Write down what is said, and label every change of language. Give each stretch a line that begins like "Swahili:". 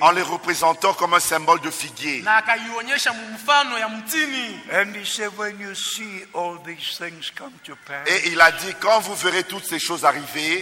French: En les représentant comme un symbole de figuier.
English: And he said, when you see all these things come to pass.
French: Et il a dit, quand vous verrez toutes ces choses arriver.